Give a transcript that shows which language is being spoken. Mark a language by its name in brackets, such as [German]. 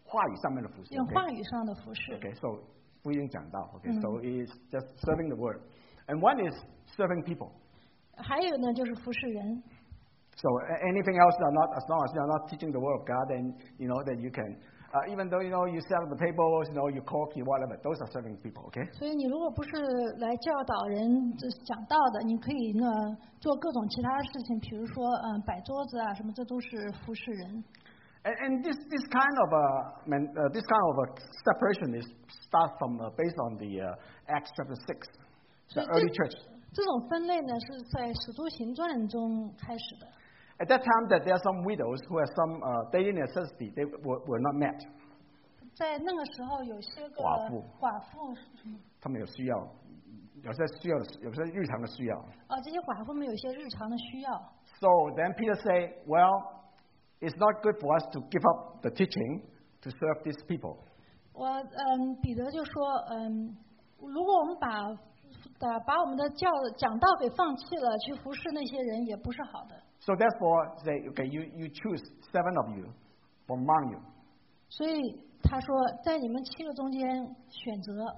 [Chinese] 一个是呢是服侍，一个呢就是讲道的。话语上面的服侍。用话语上的服侍。 [English] Okay, so [Chinese] 福音讲道。 [English] Okay, so it's just serving the word, and one is serving people. [Chinese] 还有呢就是服侍人。 [English] So anything else, you're not, as long as you're not teaching the word of God, then you know that you can, even though you know you set up the tables, you know you cook, you whatever, those are serving people, okay? [Chinese] 所以你如果不是来教导人讲道的，你可以呢做各种其他事情，比如说摆桌子啊什么，这都是服侍人。 [English] And this kind of a separation is start from based on the Acts chapter 6, the early church. [Chinese] 这种分类呢是在使徒行传中开始的。 [English] At that time, that there are some widows who have some daily necessity, they were not met. [Chinese] 在那个时候，有些个寡妇，他们有需要有些需要的，有些日常的需要。哦，这些寡妇们有些日常的需要。 [English] So then Peter say, well, it's not good for us to give up the teaching to serve these people. [Chinese] 我彼得就说，如果我们把我们的讲道给放弃了，去服侍那些人也不是好的。 [English] So therefore, say, okay, you choose seven of you from among you. [Chinese] 所以他说，在你们七个中间选择。